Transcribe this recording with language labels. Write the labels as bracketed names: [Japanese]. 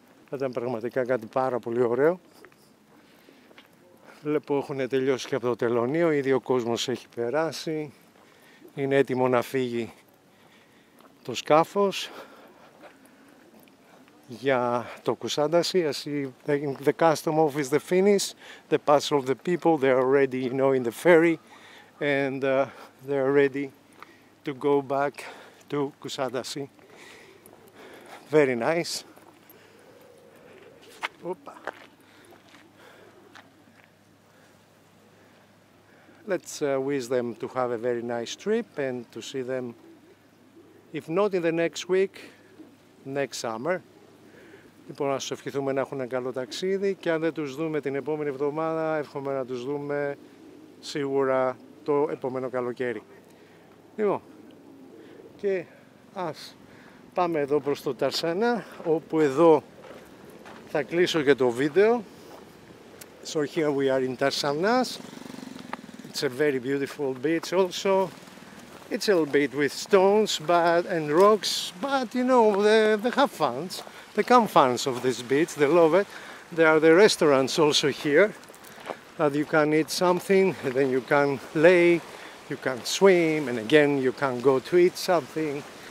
[Greek] Θα ήταν πραγματικά κάτι πάρα πολύ ωραίο. Βλέπω έχουν τελειώσει και από το Τελωνείο, ήδη ο κόσμος έχει περάσει. Είναι έτοιμο να φύγει το σκάφος για το Κουσάντασι. [English] I see the custom office, the Finnish, the pass of the people, they're already, you know, in the ferry and they're ready to go back to Kusadasi. Very nice. Opa. Let's wish them to have a very nice trip and to see them, if not in the next week, next summer. [Greek] Λοιπόν, να σας ευχηθούμε να έχουν ένα καλό ταξίδι και αν δεν τους δούμε την επόμενη εβδομάδα, εύχομαι να τους δούμε σίγουρα το επόμενο καλοκαίρι. Λοιπόν, και ας πάμε εδώ προς το Ταρσανά, όπου εδώ θα κλείσω και το βίντεο. [English] So here we are in Tarsanas. It's a very beautiful beach also. It's a little bit with stones but and rocks, but you know, they have fans. They come fans of this beach, they love it. There are the restaurants also here that you can eat something, and then you can lay, you can swim, and again you can go to eat something.